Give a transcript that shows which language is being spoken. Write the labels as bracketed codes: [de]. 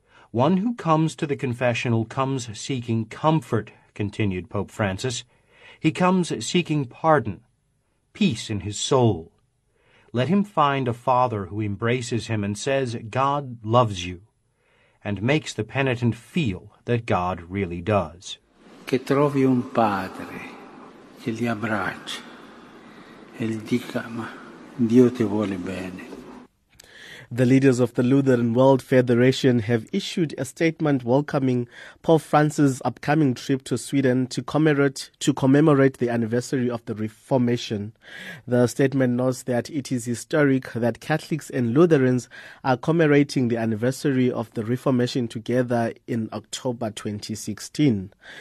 [en] One who comes to the confessional comes seeking comfort, continued Pope Francis. He comes seeking pardon. Peace in his soul. Let him find a father who embraces him and says, God loves you, and makes the penitent feel that God really does. [it] Che trovi un padre che li abbracci e gli dica, ma Dio ti vuole bene. [en] The leaders of the Lutheran World Federation have issued a statement welcoming Pope Francis' upcoming trip to Sweden to commemorate the anniversary of the Reformation. The statement notes that it is historic that Catholics and Lutherans are commemorating the anniversary of the Reformation together in October 2016.